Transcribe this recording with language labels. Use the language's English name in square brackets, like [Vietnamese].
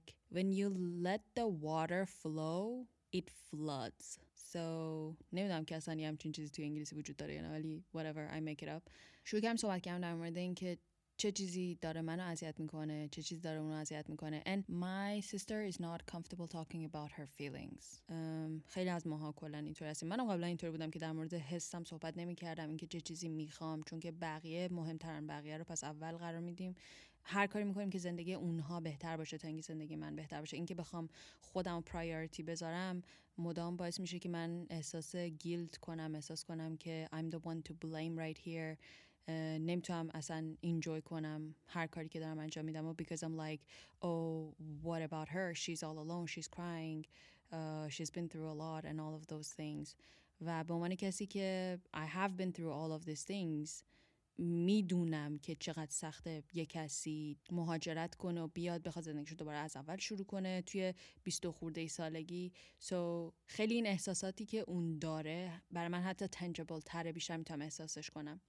[English] When you let the water flow, it floods. [Persian] So نمیدونم که اصلا یه همچین چیزی توی انگلیسی وجود داره یا نه، ولی [English] whatever, I make it up. [Persian] شروع کردم صحبت کردم در مورد این که چه چیزی داره منو اذیت میکنه، چه چیزی داره اونو اذیت میکنه. [English] And my sister is not comfortable talking about her feelings. [Persian] خیلی از ماها کلا اینطور هستیم. منم قبلا اینطور بودم که در مورد حسم صحبت نمیکردم، اینکه چه چیزی میخوام، چون که بقیه مهمترن، بقیه رو پس اول قرار میدیم. هر کاری میکنیم که زندگی اونها بهتر باشه تا اینکه زندگی من بهتر باشه. اینکه بخوام خودم پرایوریتی بذارم مدام باعث میشه که من احساس گیلت کنم، احساس کنم که [English] I'm the one to blame right here. [Persian] نمیتونم اصلا انجوی کنم هر کاری که دارم انجام میدم. [English] Because I'm like, oh, what about her? She's all alone. She's crying. She's been through a lot and all of those things. [Persian] و به عنوان کسی که [English] I have been through all of these things، [Persian] میدونم که چقدر سخته یه کسی مهاجرت کنه و بیاد بخواد زندگیش دوباره از اول شروع کنه توی 20 خورده سالگی. سو خیلی این احساساتی که اون داره برای من حتی تنجبل تره، بیشتر میتونم احساسش کنم.